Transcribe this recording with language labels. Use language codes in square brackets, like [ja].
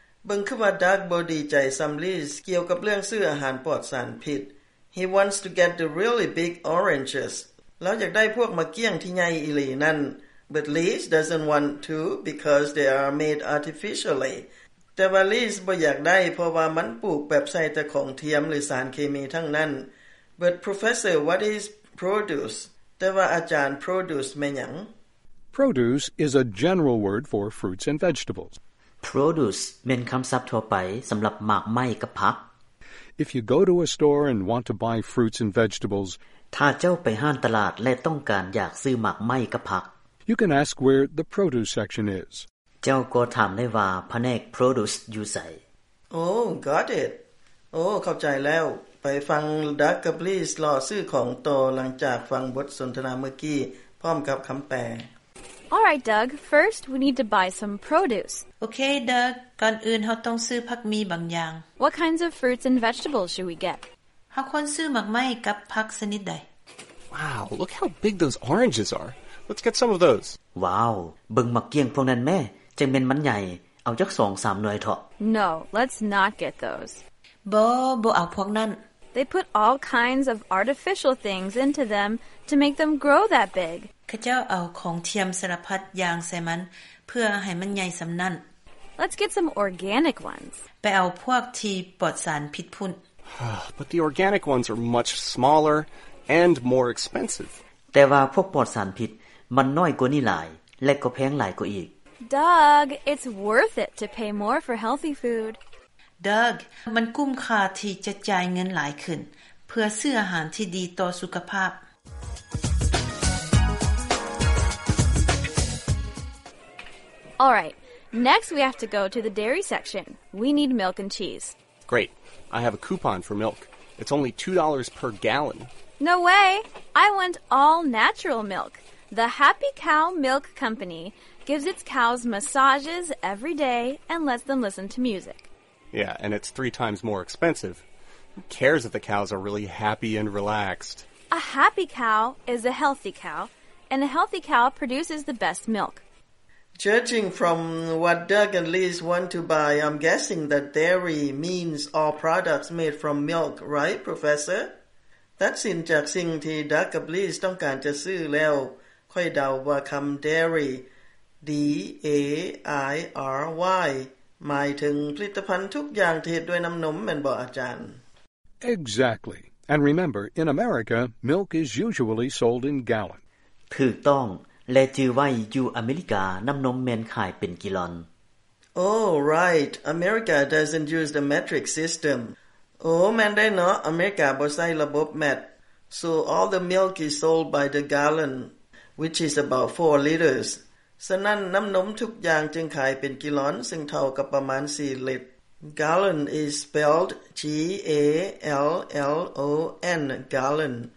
[th] บังคือว่าดักบ่ดีใจซัมลีสเกี่ยวกับเรื่องซื้ออาหารปลอดสารพิษ [en] He wants to get the really big oranges [th] แล้วอยากได้พวกมะเกี้ยงที่ใหญ่อีหลีนั่น [en] But Liz doesn't want to because they are made artificially [th] แต่ว่าลีสบ่อยากได้เพราะว่ามันปลูกแบบใส่แต่ของเทียมหรือสารเคมีทั้งนั้น [en] But Professor, what is produce? [th] แต่ว่าอาจารย์ produce แม่หยัง [en] Produce is a general word for fruits and vegetables [th] Produce เป็นคำศัพท์ทั่วไปสำหรับหมากไม้กับผัก [en] If you go to a store and want to buy fruits and vegetables [th] ถ้าเจ้าไปห้างตลาดและต้องการอยากซื้อหมากไม้กับผัก [en] You can ask where the produce section is [th] เจ้าก็ถามได้ว่าแผนก produce อยู่ไหน [en] Oh, got it. [th] Oh, เข้าใจแล้วไปฟัง Doug กับ Liz รอซื้อของต่อหลังจากฟังบทสนทนาเมื่อกี้พร้อมกับคำแปล [en] All right, Doug. First, we need to buy some produce. Okay, Doug. [th] ก่อนอื่นเราต้องซื้อผักมีบางอย่าง [en] What kinds of fruits and vegetables should we get? [th] เราควรซื้อหมากไม้กับผักชนิดใด [en] Wow, look how big those oranges are. Let's get some of those. [th] Wow, เบิ่งหมากเกี้ยงพวกนั้นแม่จังแม่นมันใหญ่เอาจัก2-3หน่วยเถอะ [en] No, let's not get those. [th] บ่เอาพวกนั้น [en] They put all kinds of artificial things into them to make them grow that big. [th] ข้าเจ้าเอาของเทียมสารพัดอย่างใส่มันเพื่อให้มันใหญ่สำนั่น [en] Let's get some organic ones [th] ไปเอาพวกที่ปลอดสารพิษพุ่น [en] But the organic ones are much smaller and more expensive [th] แต่ว่าพวกปลอดสารพิษมันน้อยกว่านี่หลายและก็แพงหลายกว่าอีก [en] Doug, it's worth it to pay more for healthy food [th] Doug, มันคุ้มค่าที่จะจ่ายเงินหลายขึ้นเพื่อซื้ออาหารที่ดีต่อสุขภาพ [en] All right. Next we have to go to the dairy section. We need milk and cheese. Great. I have a coupon for milk. It's only $2 per gallon. No way. I want all natural milk. The Happy Cow Milk Company gives its cows massages every day and lets them listen to music. Yeah, and it's 3 times more expensive. Who cares if the cows are really happy and relaxed? A happy cow is a healthy cow, and a healthy cow produces the best milk. Judging from what Doug and Liz want to buy, I'm guessing that dairy means all products made from milk, right, Professor? That's in [th] จากสิ่งที่ Doug กับ Liz ต้องการจะซื้อแล้วค่อยเดาว่าคำ dairy D-A-I-R-Y หมายถึงผลิตภัณฑ์ทุกอย่างที่เฮ็ดด้วยน้ำนมแม่นบ่อาจารย์ [en] Exactly. And remember, in America, milk is usually sold in gallon. [th] ถูกต้องและจือว่าอยู่อเมริกาน้ำนมแม่นขายเป็นกิลอน [en] Oh, right. America doesn't use the metric system. [th] Oh, แม่นได้เนาะอเมริกาบ่ใช้ระบบแมท [en] So all the milk is sold by the gallon, which is about 4 liters [th] ฉะนั้นน้ำนมทุกอย่างจึงขายเป็นกิลอนซึ่งเท่ากับประมาณ4ลิตร [en] Gallon is spelled G-A-L-L-O-N, gallon.